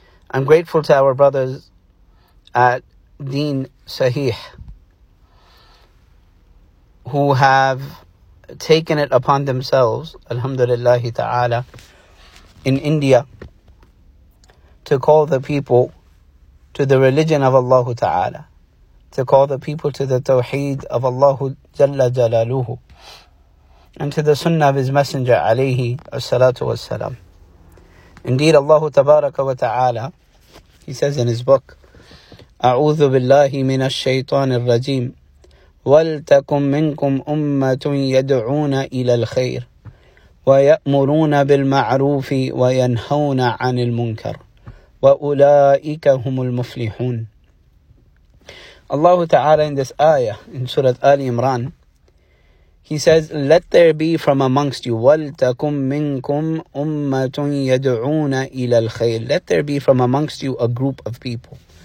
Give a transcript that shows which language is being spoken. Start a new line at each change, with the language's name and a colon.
English: I'm grateful to our brothers at Deen Sahih who have taken it upon themselves, alhamdulillahi ta'ala, in India to call the people to the religion of Allah Ta'ala, to call the people to the Tawheed of Allah Jalla Jalaluhu, and to the Sunnah of His Messenger Alayhi As-Salatu Was-Salam. Indeed, Allah Tabaraka wa Ta'ala, He says in His book,
Arabic: أعوذ بالله من الشيطان الرجيم ولتكن منكم أمة يدعون إلى الخير ويأمرون بالمعروف وينهون عن المنكر وَأُولَٰئِكَ هُمُ الْمُفْلِحُونَ.
English: Allah Ta'ala in this ayah, in Surah Ali Imran, He says, let there be from amongst you,
Arabic: وَلْتَكُمْ مِنْكُمْ أُمَّةٌ يَدْعُونَ إِلَى الْخَيْرِ.
English: Let there be from amongst you a group of people.